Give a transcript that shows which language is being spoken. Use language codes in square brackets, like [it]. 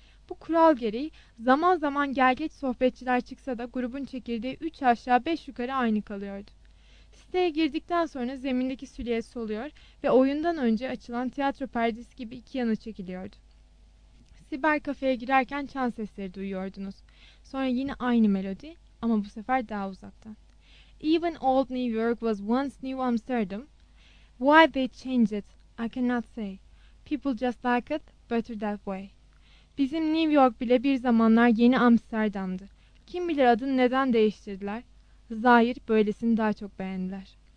[tr] Bu kural gereği zaman zaman gel geç sohbetçiler çıksa da grubun çekirdeği 3 aşağı 5 yukarı aynı kalıyordu. Siteye girdikten sonra zemindeki silüet soluyor ve oyundan önce açılan tiyatro perdesi gibi iki yana çekiliyordu. Siber kafeye girerken çan sesleri duyuyordunuz. Sonra yine aynı melodi ama bu sefer daha uzaktan. [en] Even old New York was once New Amsterdam. Why they changed it, I cannot say. People just like it better that way. [tr] Bizim New York bile bir zamanlar yeni Amsterdam'dı. Kim bilir adını neden değiştirdiler? Zahir böylesini daha çok beğendiler.